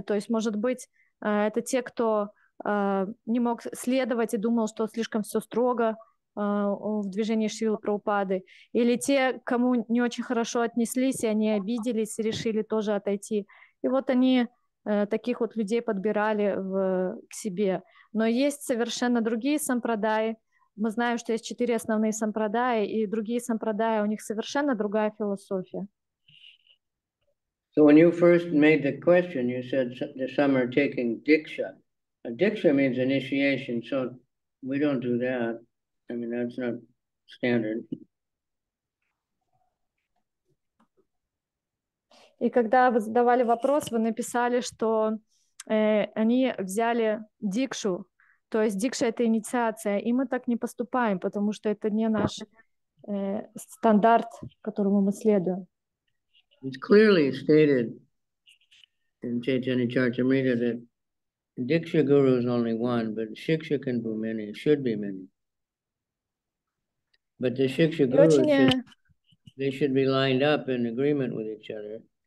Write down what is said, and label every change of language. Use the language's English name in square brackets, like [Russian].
[Russian] То есть, может быть, это те, кто не мог следовать и думал, что слишком все строго в движении Шрилы Прабхупады, или те, кому не очень хорошо отнеслись, и они обиделись и решили тоже отойти. И вот они таких вот людей подбирали к себе. Но есть совершенно другие сампрадаи. Мы знаем, что есть четыре основные сампрадаи, и другие сампрадаи, у них совершенно другая философия. [English] So when you first made the question, you said that some are taking diksha. A diksha means initiation, so we don't do that. I mean, that's not standard. [Russian] И когда вы задавали вопрос, вы написали, что они взяли дикшу, то есть дикша — это инициация, и мы так не поступаем, потому что это не наш стандарт, которому мы следуем. [English] It's clearly stated in Chaitanya Charitamrita that Diksha Guru is only one, but Shiksha can be many, should be many. But the Shiksha Guru, they should be lined up in agreement with each other.